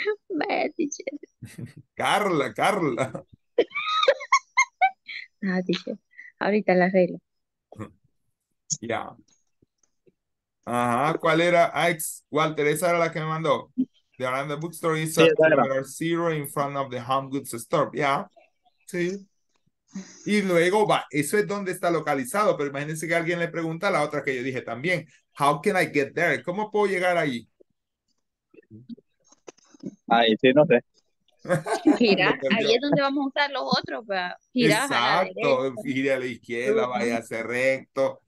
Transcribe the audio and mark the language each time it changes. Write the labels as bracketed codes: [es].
[es] Vaya, teacher. Carla. Ah, teacher. Ahorita la arreglo. Ya. Yeah. Ajá, ¿cuál era? Ah, Walter, esa era la que me mandó. [en] The Aranda Bookstore is at zero in front of the home goods store. Yeah, sí. [es] Y luego va, eso es donde está localizado, pero imagínense que alguien le pregunta la otra que yo dije también. [en] How can I get there? [es] ¿Cómo puedo llegar ahí? Ahí sí, no sé. Gira, ahí es donde vamos a usar los otros, ¿verdad? Girar. Exacto, gire a la izquierda, vaya a ser recto.